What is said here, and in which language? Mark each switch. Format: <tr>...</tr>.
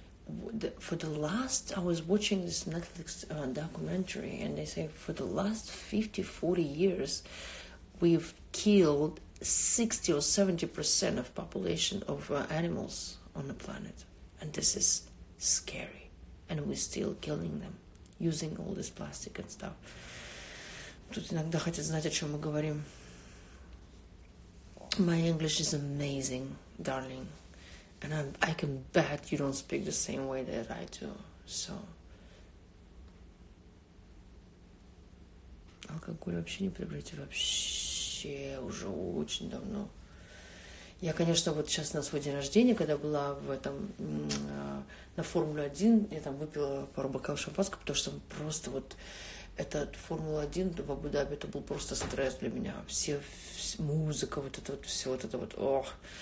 <en>I was watching this Netflix documentary, and they say for the last 50-40 years, we've killed 60% or 70% of population of animals on the planet, and this is scary, and we're still killing them using all this plastic and stuff.</en> <ru>Тут иногда хотят знать, о чем мы говорим.</ru> <en>My English is amazing, darling. And I can bet you don't speak the same way that I do. So.</en> <ru>Алкоголь вообще не приобрети. Вообще уже очень давно. Я, конечно, вот сейчас на свой день рождения, когда была в этом на Формуле-1, я там выпила пару бокалов шампанского, потому что просто вот этот Формула-1 в Абу-Даби, это был просто стресс для меня. Все музыка, вот это вот все, вот это вот, ох.</ru>